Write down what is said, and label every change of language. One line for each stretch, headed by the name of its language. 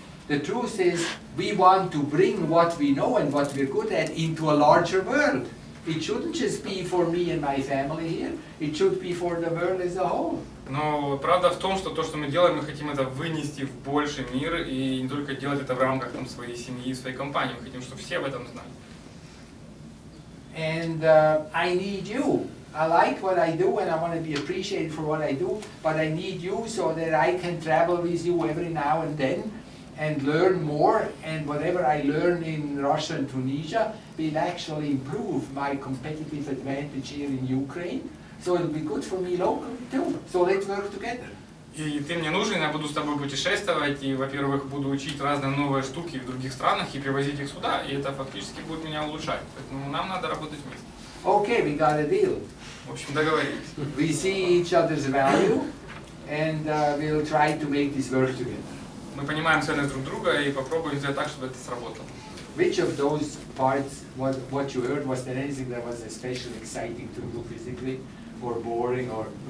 English: The truth is, we want to bring what we know and what we're good at into a larger world. It shouldn't just be for me and my family here. It should be for the world as a whole.
Russian: Но правда в том, что то, что мы делаем, мы хотим это вынести в больший мир и не только делать это в рамках там, своей семьи и своей компании. Мы хотим, чтобы все об этом знали.
English: And I need you. I like what I do and I want to be appreciated for what I do, but I need you so that I can travel with you every now and then and learn more, and whatever I learn in Russia and Tunisia will actually improve my competitive advantage here in Ukraine. So it'll be good for me locally too. So let's work together.
Russian: И ты мне нужен, я буду с тобой путешествовать, и, во-первых, буду учить разные новые штуки в других странах и привозить их сюда, и это фактически будет меня улучшать. Поэтому нам надо работать вместе.
English: Okay, we got a deal.
Russian: В общем, договорились.
English: We see each other's value, and we'll try to make this work together.
Russian: Мы понимаем ценность друг друга и попробуем сделать так, чтобы это сработало.
English: Which of those parts, what you heard, was there anything that was especially exciting to do physically, or boring, or...